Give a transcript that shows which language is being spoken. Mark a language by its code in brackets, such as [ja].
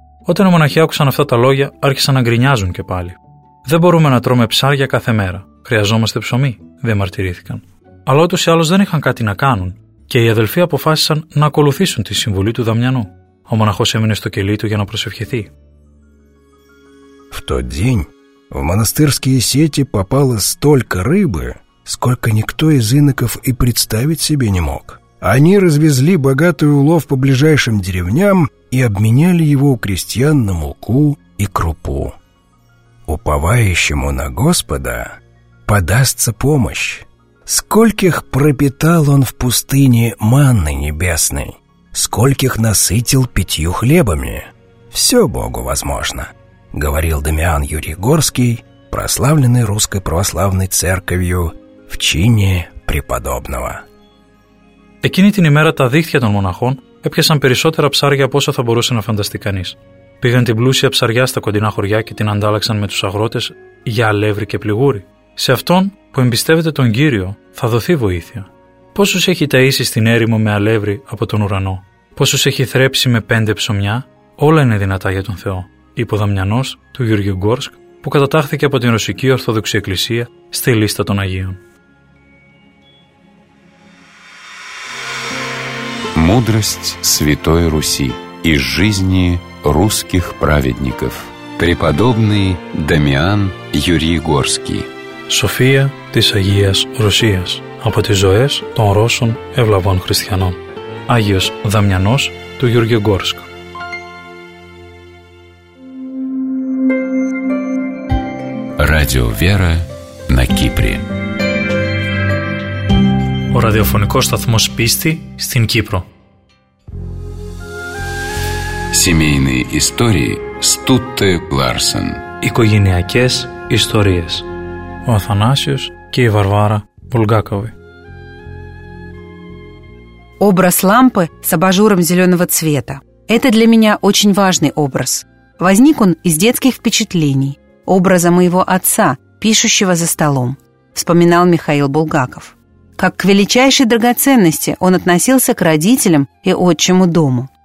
[el] Όταν οι μοναχοί άκουσαν αυτά τα λόγια, άρχισαν να γκρινιάζουν και πάλι. «Δεν μπορούμε να τρώμε ψάρια κάθε μέρα. Χρειαζόμαστε ψωμί», διαμαρτυρήθηκαν. Αλλά ούτως ή άλλως δεν είχαν κάτι να κάνουν και οι αδελφοί αποφάσισαν να ακολουθήσουν τη συμβουλή του Δαμιανού. Ο μοναχός έμεινε στο κελί του για να προσευχηθεί. [ru] В тот день в монастырские сети попало столько рыбы, сколько никто из иноков и представить себе не мог. Они развезли богатый улов по ближайшим деревням и обменяли его у крестьян на муку и крупу. Уповающему на Господа подастся помощь. Скольких пропитал он в пустыне манны небесной, скольких насытил пятью хлебами. Все Богу возможно, говорил Дамиан Юрий Горский, прославленный Русской Православной Церковью в чине преподобного. [el] Εκείνη την ημέρα τα δίχτυα των μοναχών έπιασαν περισσότερα ψάρια από όσα θα μπορούσε να φανταστεί κανείς. Πήγαν την πλούσια ψαριά στα κοντινά χωριά και την αντάλλαξαν με τους αγρότες για αλεύρι και πληγούρι. Σε αυτόν που εμπιστεύεται τον Κύριο θα δοθεί βοήθεια. Πόσους έχει ταΐσει στην έρημο με αλεύρι από τον ουρανό, πόσους έχει θρέψει με πέντε ψωμιά, όλα είναι δυνατά για τον Θεό, είπε ο Δαμιανός του Γεωργίου Γκόρσκ, που κατατάχθηκε από την Ρωσική Ορθόδοξη Εκκλησία στη λίστα των Αγίων. [ru] Мудрость Святой Руси из жизни русских праведников. Преподобный Дамиан Юрий Горский. [el] София της Агίας Ρωσίας. Από τις ζωές των Ρώσων ευλαβών χριστιανών. Άγιος Δαμιανός του Γεωργίου Γκόρσκ. Radio Vera на Кύπρο. Ο ραδιοφωνικός σταθμός πίστη στην Κύπρο. [ru] Семейные истории Стутте Ларсен. [el] Οικογενειακές ιστορίες. Ο Αθανάσιος και η Βαρβάρα Βουλγάκοβη. [ru] Образ лампы с абажуром зеленого цвета. Это для меня очень важный образ. Возник он из детских впечатлений, образа моего отца, пишущего за столом, вспоминал Михаил Булгаков. Как к величайшей драгоценности он относился к родителям и отчему дому.